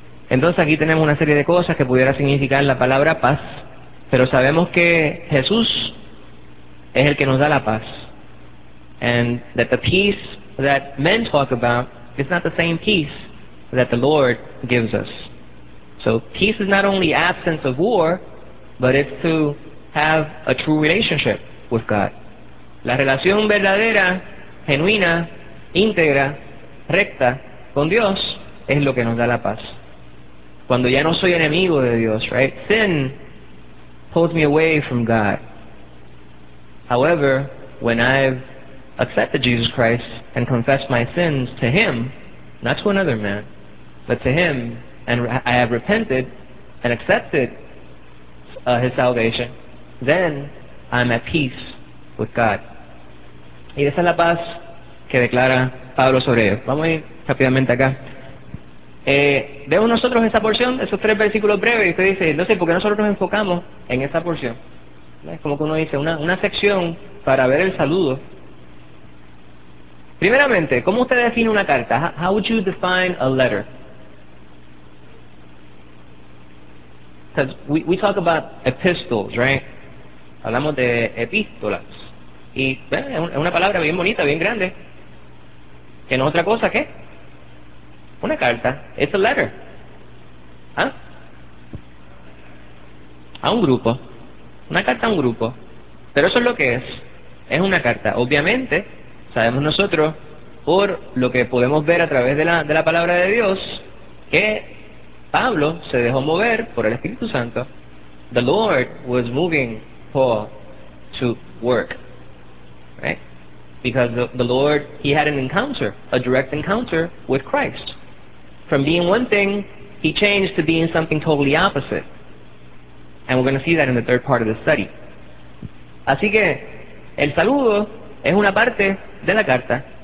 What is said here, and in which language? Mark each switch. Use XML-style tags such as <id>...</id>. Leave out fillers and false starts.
<es>Entonces aquí tenemos una serie de cosas que pudiera significar la palabra paz, pero sabemos que Jesús es el que nos da la paz.</es> <en>And that the peace that men talk about is not the same peace that the Lord gives us. So peace is not only absence of war, but it's to have a true relationship with God.</en> <es>La relación verdadera, genuina, íntegra, recta con Dios es lo que nos da la paz. Cuando ya no soy enemigo de Dios, right?</es> <en>Sin pulls me away from God. However, when I've accepted Jesus Christ and confessed my sins to him, not to another man, but to him, and I have repented and accepted his salvation, then I'm at peace with God.</en> <es>Y esa es la paz que declara Pablo sobre ello. Vamos a ir rápidamente acá. Vemos nosotros esa porción, esos tres versículos breves, y usted dice, no sé, ¿por qué nosotros nos enfocamos en esa porción? Es como que uno dice, una sección para ver el saludo. Primeramente, ¿cómo usted define una carta?</es> <en>How would you define a letter? Because we talk about epistles, right?</en> <es>Hablamos de epístolas. Y bueno, es una palabra bien bonita, bien grande. ¿Que no es otra cosa? ¿Qué? Una carta.</es> <en>It's a letter.</en> <es>¿Ah? A un grupo. Una carta a un grupo. Pero eso es lo que es. Es una carta. Obviamente, sabemos nosotros, por lo que podemos ver a través de la palabra de Dios, que Pablo se dejó mover por el Espíritu Santo.</es> <en>The Lord was moving Paul to work, right? Because the Lord, he had an encounter, a direct encounter with Christ. From being one thing, he changed to being something totally opposite. And we're going to see that in the third part of the study.</en> <es>Así que el saludo es una parte de la carta.</es>